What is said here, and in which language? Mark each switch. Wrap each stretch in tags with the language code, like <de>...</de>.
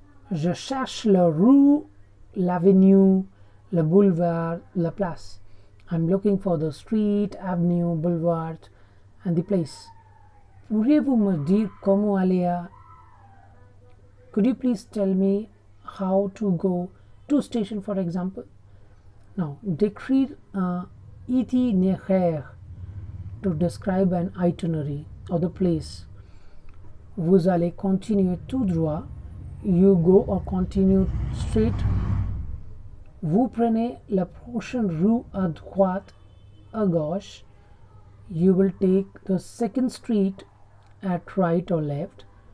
<fr>Je cherche la rue, l'avenue, le boulevard, la place.</fr> <en>I'm looking for the street, avenue, boulevard, and the place.</en> <fr>Pourriez-vous me dire comment aller à?</fr> <en>Could you please tell me how to go to station, for example? Now,</en> <fr>décrire un itinéraire,</fr> <en>to describe an itinerary or the place.</en> <fr>Vous allez continuer tout droit.</fr> <en>You go or continue straight.</en> <fr>Vous prenez la prochaine rue à droite, à gauche.</fr> <en>You will take the second street at right or left.</en>